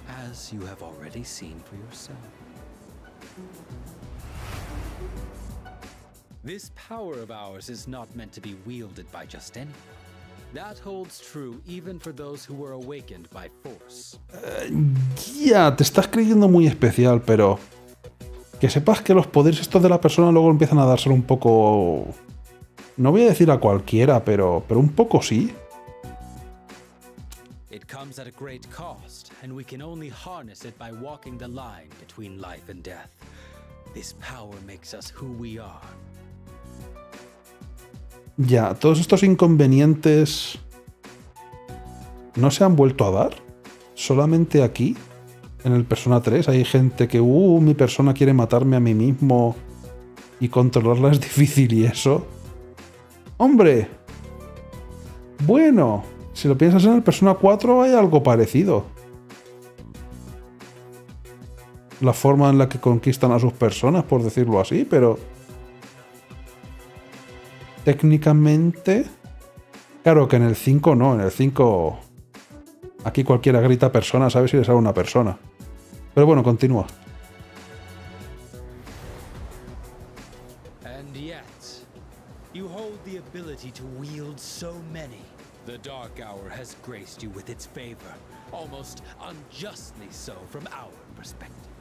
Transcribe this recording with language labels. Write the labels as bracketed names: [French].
[English] As you have already seen for yourself. This power of ours is not meant to be wielded by just anyone. That holds true even for those who were awakened by force. [Spanish] Te estás creyendo muy especial, pero que sepas que los poderes estos de la persona luego empiezan a dárselo un poco. No voy a decir a cualquiera, pero un poco sí. [English] It comes at a great cost, and we can only harness it by walking the line between life and death. This power makes us who we are. [Spanish] Ya, todos estos inconvenientes no se han vuelto a dar. Solamente aquí, en el Persona 3, hay gente que, mi persona quiere matarme a mí mismo y controlarla es difícil y eso. ¡Hombre! Bueno, si lo piensas en el Persona 4 hay algo parecido. La forma en la que conquistan a sus personas, por decirlo así, pero técnicamente, claro que en el 5 no, en el 5 aquí cualquiera grita persona, sabes si le sale una persona. Pero bueno, continúa. [English] And yet, you hold the ability to wield so many. The dark hour has graced you with its favor, almost unjustly so from our perspective.